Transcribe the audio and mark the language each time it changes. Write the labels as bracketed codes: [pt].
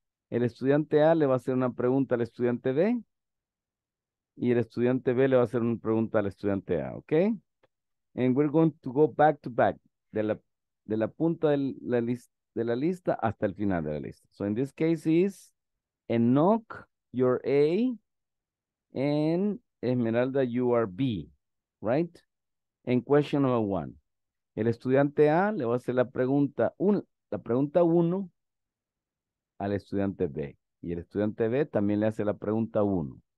[es] El estudiante A le va a hacer una pregunta al estudiante B. Y el estudiante B le va a hacer una pregunta al estudiante A, okay? [en] And we're going to go back to back. [es] De la punta de la lista hasta el final de la lista. [en] So in this case is Enoch, your A, and Esmeralda, you are B, right? And question number one. [es] El estudiante A le va a hacer la pregunta uno al estudiante B. Y el estudiante B también le hace la pregunta uno.